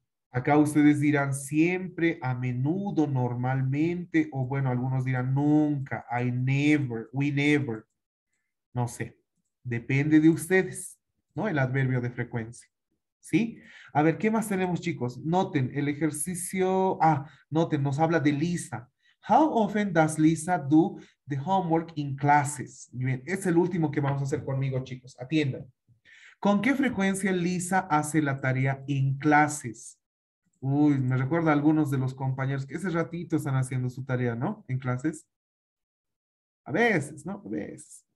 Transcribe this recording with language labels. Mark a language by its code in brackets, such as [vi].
[es] Acá ustedes dirán siempre, a menudo, normalmente, o bueno, algunos dirán nunca, [en] I never, we never. [es] No sé, depende de ustedes, ¿no? El adverbio de frecuencia, ¿sí? A ver, ¿qué más tenemos, chicos? Noten, el ejercicio, noten, nos habla de Lisa. [en] How often does Lisa do the homework in classes? [es] Bien, es el último que vamos a hacer conmigo, chicos, atiendan. ¿Con qué frecuencia Lisa hace la tarea en clases? Uy, me recuerda a algunos de los compañeros que ese ratito están haciendo su tarea, ¿no? En clases. A veces, ¿no? A veces.